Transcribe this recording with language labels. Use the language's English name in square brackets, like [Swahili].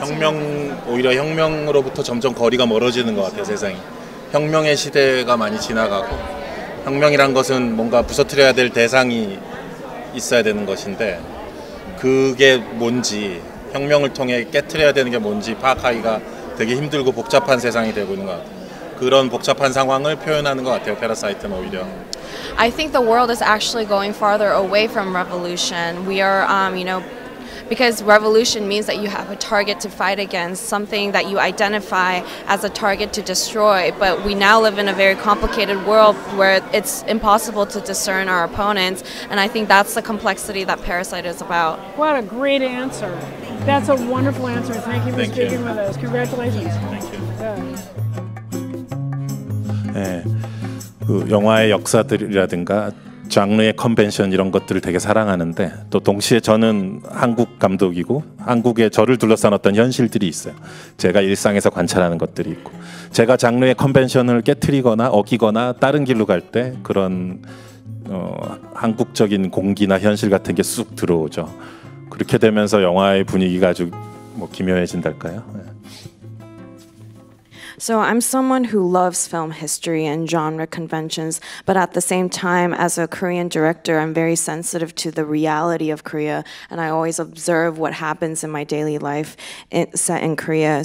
[Korean] 혁명 오히려 혁명으로부터 점점 거리가 멀어지는 것 같아요 세상이 혁명의 시대가 많이 지나가고 혁명이란 것은 뭔가 부서뜨려야 될 대상이 있어야 되는 것인데 그게 뭔지 혁명을 통해 깨트려야 되는 게 뭔지 파악하기가 되게 힘들고 복잡한 세상이 되고 있는 것 같아요 그런 복잡한 상황을 표현하는 것 같아요 패러사이트는 오히려 [English] I think the world is actually going farther away from revolution. We are, you know, because revolution means that you have a target to fight against, something that you identify as a target to destroy. But we now live in a very complicated world where it's impossible to discern our opponents. And I think that's the complexity that Parasite is about. What a great answer. That's a wonderful answer. Thank you for Thank speaking you. With us. Congratulations. Thank you. Yeah. Hey. [Korean] 그 영화의 역사들이라든가 장르의 컨벤션 이런 것들을 되게 사랑하는데 또 동시에 저는 한국 감독이고 한국에 저를 둘러싼 어떤 현실들이 있어요. 제가 일상에서 관찰하는 것들이 있고 제가 장르의 컨벤션을 깨트리거나 어기거나 다른 길로 갈 때 그런 한국적인 공기나 현실 같은 게 쑥 들어오죠. 그렇게 되면서 영화의 분위기가 아주 뭐 기묘해진달까요? [English] So I'm someone who loves film history and genre conventions, but at the same time, as a Korean director, I'm very sensitive to the reality of Korea, and I always observe what happens in my daily life set in Korea.